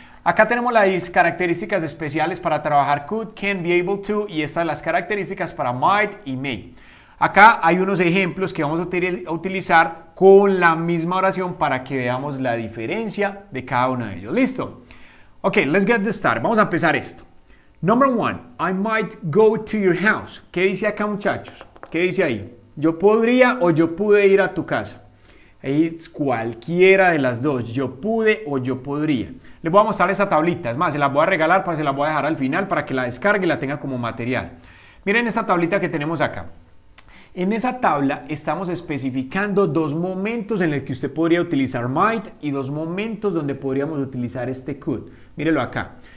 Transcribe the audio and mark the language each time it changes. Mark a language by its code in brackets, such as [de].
[es] Acá tenemos las características especiales para trabajar could, can, be able to y estas las características para might y may. Acá hay unos ejemplos que vamos a utilizar con la misma oración para que veamos la diferencia de cada uno de ellos. ¿Listo? [en] Ok, let's get this started. [es] Vamos a empezar esto. [en] Number one, I might go to your house. [es] ¿Qué dice acá, muchachos? ¿Qué dice ahí? Yo podría o yo pude ir a tu casa. [en] It's [es] cualquiera de las dos. Yo pude o yo podría. Les voy a mostrar esa tablita. Es más, se la voy a regalar, pues se la voy a dejar al final para que la descargue y la tenga como material. Miren esta tablita que tenemos acá. En esa tabla estamos especificando dos momentos en los que usted podría utilizar might y dos momentos donde podríamos utilizar este could. Mírelo acá.